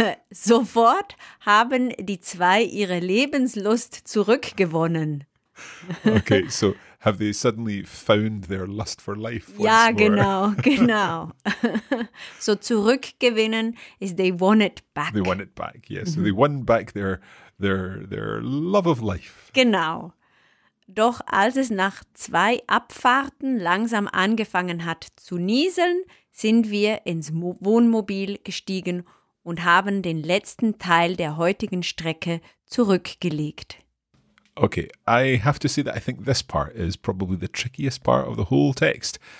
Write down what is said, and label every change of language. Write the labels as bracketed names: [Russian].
[German] Sofort haben die zwei ihre Lebenslust zurückgewonnen. [English] Okay, so have they suddenly found their lust for life? [German] Ja, genau, genau. [English] So zurückgewinnen is they won it back. They won it back, yes. Mm-hmm. So they won back their love of life. [German] Genau. Doch als es nach zwei Abfahrten langsam angefangen hat zu nieseln, sind wir ins Wohnmobil gestiegen und haben den letzten Teil der heutigen Strecke zurückgelegt. [English] Okay, I have to say that I think this part is probably the trickiest part of the whole text.